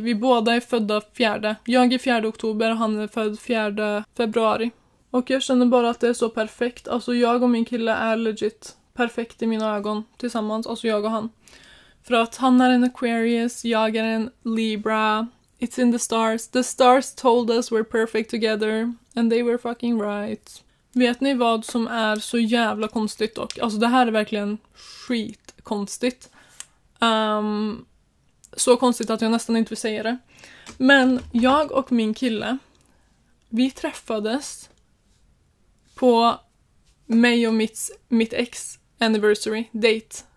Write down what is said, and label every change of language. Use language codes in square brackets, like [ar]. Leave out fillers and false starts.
[sv] Vi båda är födda 4. Jag är 4 oktober och han är född 4 februari. Och jag känner bara att det är så perfekt. Alltså jag och min kille är legit perfekt i mina ögon tillsammans. Alltså jag och han. För att han är en Aquarius, jag är en Libra. [en] It's in the stars. The stars told us we're perfect together. And they were fucking right. [sv] Vet ni vad som är så jävla konstigt dock? Alltså det här är verkligen skitkonstigt. Så konstigt att jag nästan inte vill säga det. Men jag och min kille, vi träffades på mig och mitt ex anniversary date.